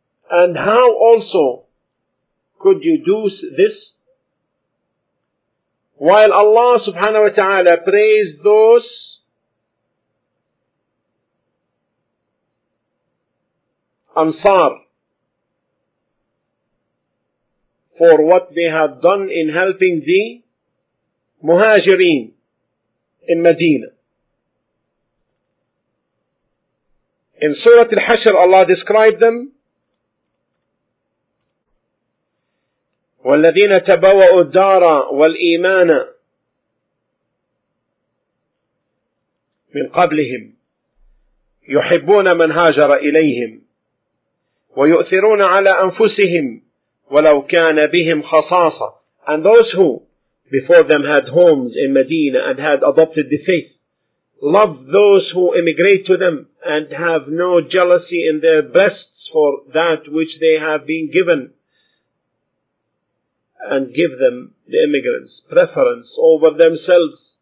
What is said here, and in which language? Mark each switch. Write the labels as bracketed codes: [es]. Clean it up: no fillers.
[en] And how also could you do this while Allah subhanahu wa ta'ala praised those Ansar for what they had done in helping the Muhajireen in Medina. In Surah Al-Hashr, Allah described them, [ar] وَالَّذِينَ تَبَوَّأُوا الدَّارَ وَالْإِيمَانَ مِنْ قَبْلِهِمْ يُحِبُّونَ مَنْ هَاجَرَ إِلَيْهِمْ وَيُؤْثِرُونَ عَلَىٰ أَنفُسِهِمْ وَلَوْ كَانَ بِهِمْ خَصَاصَةً. [en] And those who before them had homes in Medina and had adopted the faith, love those who immigrate to them and have no jealousy in their breasts for that which they have been given, and give them, the immigrants, preference over themselves.